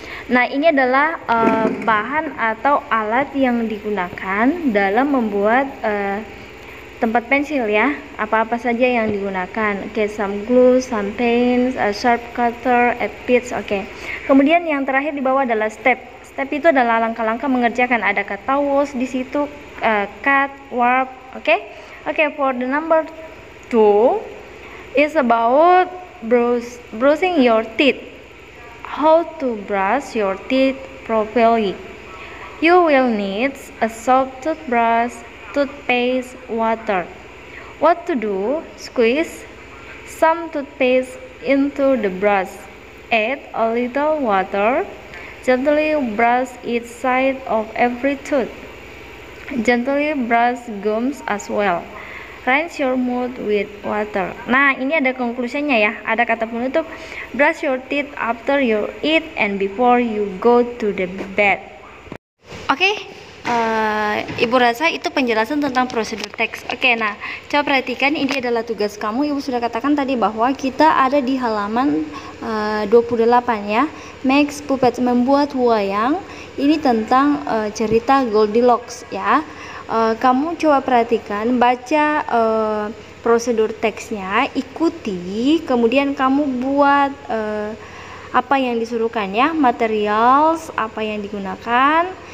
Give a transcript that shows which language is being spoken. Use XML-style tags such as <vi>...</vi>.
<id>Nah, ini adalah bahan atau alat yang digunakan dalam membuat tempat pensil ya, apa-apa saja yang digunakan.</id> <en>Oke, okay, some glue, some paints, a sharp cutter, a pitch. Oke. Okay.</en> <id>Kemudian yang terakhir di bawah adalah step. Step itu adalah langkah-langkah mengerjakan. Ada kata wash di situ, cut, warp. Oke. Okay?</id> <en>Oke, okay, for the number 2 is about brushing your teeth. How to brush your teeth properly. You will need a soft toothbrush, toothpaste, water. What to do? Squeeze some toothpaste into the brush. Add a little water. Gently brush each side of every tooth. Gently brush gums as well. Rinse your mouth with water.</en> <id>Nah, ini ada konklusinya ya. Ada kata penutup.</id> <en>Brush your teeth after you eat and before you go to the bed.</en> <id>Okay. Ibu rasa itu penjelasan tentang prosedur teks. Oke, nah, coba perhatikan, ini adalah tugas kamu. Ibu sudah katakan tadi bahwa kita ada di halaman 28 ya. Max Puppet membuat wayang. Ini tentang cerita Goldilocks ya. Kamu coba perhatikan, baca prosedur teksnya, ikuti, kemudian kamu buat apa yang disuruhkan ya, materials apa yang digunakan.</id>